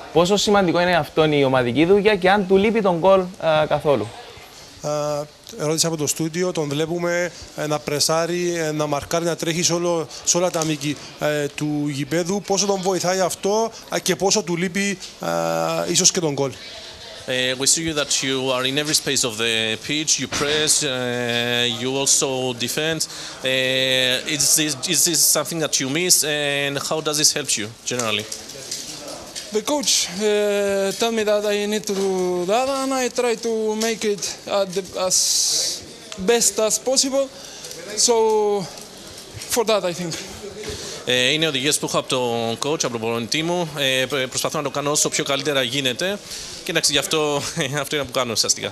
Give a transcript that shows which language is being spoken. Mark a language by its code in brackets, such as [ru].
[el] Πόσο σημαντικό είναι αυτό η ομαδική δουλειά και αν του λείπει τον γκολ καθόλου? Ερώτηση από το στούντιο. Τον βλέπουμε να πρεσάρει, να μαρκάρει, να τρέχει σε όλα τα μήκη του γηπέδου. Πόσο τον βοηθάει αυτό και πόσο του λείπει ίσως και τον γκολ? [en] We see you that you are in every space of the pitch. You press, you also defend. Is this something that you miss and how does this help you generally? The coach told me that I need to do that and I try to make it as best as possible. So for that I think. [el] Είναι οδηγίες που έχω από τον coach, από τον προπονητή μου. Προσπαθώ να το κάνω όσο πιο καλύτερα γίνεται. Και εντάξει, γι' αυτό, αυτό είναι που κάνω ουσιαστικά.